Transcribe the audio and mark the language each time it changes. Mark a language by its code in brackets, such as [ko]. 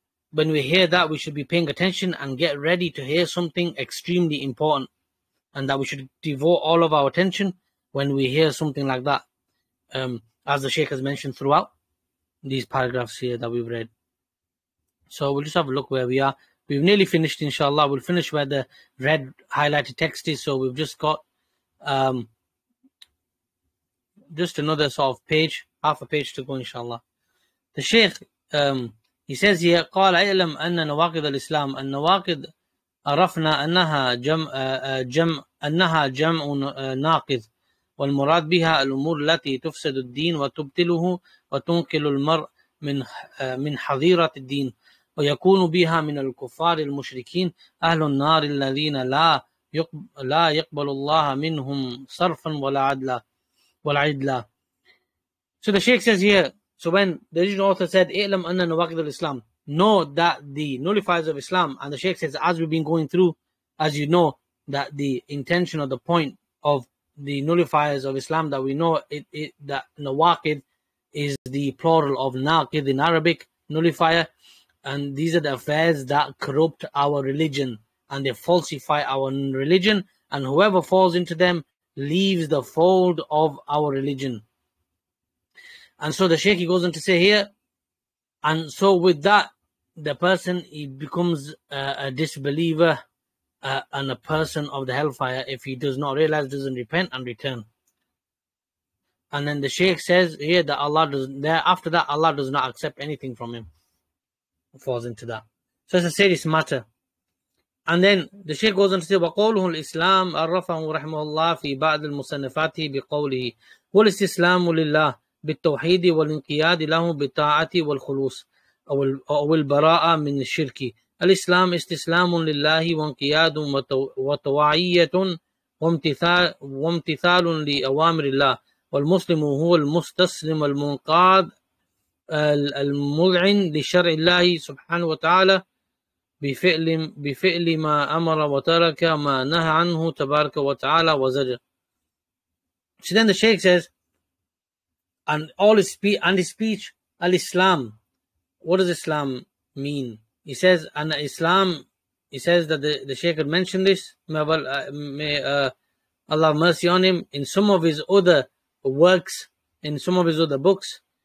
[en] when we hear that, we should be paying attention and get ready to hear something extremely important, and that we should devote all of our attention when we hear something like that, as the Shaykh has mentioned throughout these paragraphs here that we've read. So we'll just have a look where we are. We've nearly finished, inshallah. We'll finish where the red highlighted text is. So we've just got just another sort of page, half a page to go, inshallah. The Shaykh, he says here, [ar] قال اعلم أن نواقض الإسلام النواقض عرفنا أنها جمع أنها جمع ناقض والمراد بها الأمور التي تفسد الدين وتبطله وتنقل المرء من حظيرة الدين ويكون بها من الكفار المشركين أهل النار الذين لا يقبل الله منهم صرفا ولا عدلا والعدلا. [en] So the Shaykh says here, so when the original author said, [ar] "Ilam anna nawaqid al-Islam," [en] know that the nullifiers of Islam, and the Shaykh says, as we've been going through, as you know, that the intention or the point of the nullifiers of Islam, that we know it that nawaqid is the plural of naqid in Arabic, nullifier, and these are the affairs that corrupt our religion and they falsify our religion, and whoever falls into them leaves the fold of our religion. And so the Shaykh, he goes on to say here, and so with that, the person, he becomes a disbeliever and a person of the hellfire if he does not realize, doesn't repent and return. And then the Shaykh says here that Allah does, there after that, Allah does not accept anything from him. He falls into that. So it's a serious matter. And then the Shaykh goes on to say, [ar] وَقَوْلُهُ الْإِسْلَامُ أَرَّفَهُ رَحْمُهُ اللَّهِ فِي بَعْدِ الْمُسَنَّفَاتِ بِقَوْلِهِ وَالْإِسْلَامُ لِلَّهِ بالتوحيد والانقياد له بطاعته والخلوص أو البراءة من الشرك. الإسلام استسلام لله وانقياد وطواعية وامتثال لأوامر الله. والمسلم هو المستسلم المنقاد المذعن لشرع الله سبحانه وتعالى بفعل ما أمر وترك ما نهى عنه تبارك وتعالى وزجر. [en] So then the Shaykh says, and all his speech, and his speech, al-Islam. What does Islam mean? He says, and Islam, he says that the Shaykh had mentioned this, may Allah have mercy on him, in some of his other works, in some of his other books.